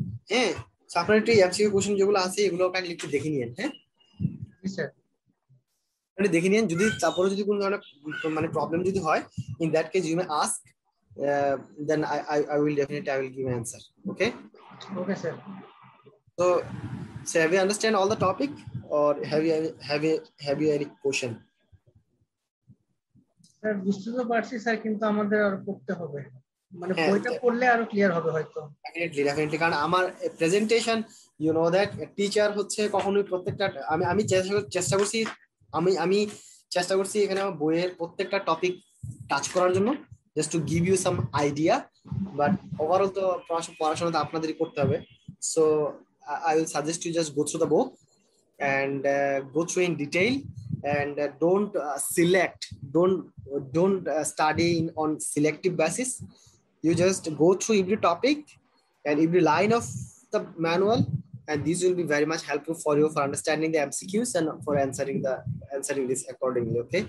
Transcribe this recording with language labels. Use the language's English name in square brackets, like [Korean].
[Bangla] হ্যাঁ, সাপারেটলি MCQ question যেগুলো আছে এগুলো আপনি লিখে দেখে নিন। হ্যাঁ স্যার, মানে দেখে নিন, যদি তারপরে যদি কোনো ধরনের মানে প্রবলেম যদি হয়, [English] In that case you may ask, then I will definitely I will give answer. Okay okay sir. So, so have you understand all the topic or have you any question? [Bangla] Sir, বুঝতে তো পারছি sir, কিন্তু আমাদের আরো পড়তে হবে, মানে বইটা পড়লে আরো ক্লিয়ার হবে হয়তো। Definitely, definitely, কারণ আমার presentation, you know that teacher হচ্ছে কখনোই প্রত্যেকটা, আমি আমি চেষ্টা করছি, আমি আমি চেষ্টা করছি এখানে আমার বইয়ের প্রত্যেকটা টপিক টাচ করার জন্য, [English] just to give you some idea, [Bangla] but overall তো পড়াশোনা তো আপনাদেরই করতে হবে। [English] So I will suggest you just go through the book and go through in detail and don't select, don't study in on selective basis. You just go through every topic and every line of the manual, and this will be very much helpful for you for understanding the MCQs and for answering this accordingly.